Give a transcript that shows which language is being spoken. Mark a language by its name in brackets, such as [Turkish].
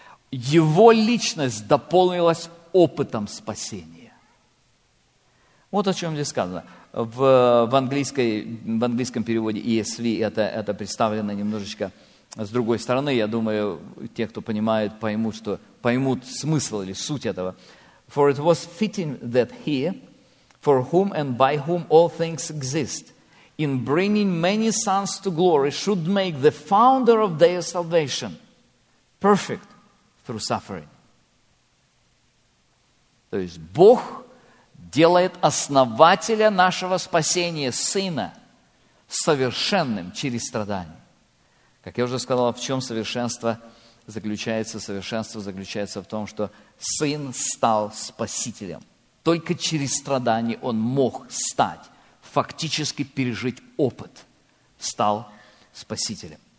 [Russian] Его личность дополнилась опытом спасения. Вот о чем здесь сказано. В английском переводе ESV это представлено немножечко с другой стороны. Я думаю, те, кто понимает, поймут смысл или суть этого. [English] «For it was fitting that he, for whom and by whom all things exist, in bringing many sons to glory, should make the founder of their salvation perfect through suffering». [Russian] То есть Бог делает основателя нашего спасения, Сына, совершенным через страдания. Как я уже сказал, в чем совершенство заключается? Совершенство заключается в том, что Сын стал Спасителем. Только через страдания Он мог стать, фактически пережить опыт, стал Спасителем.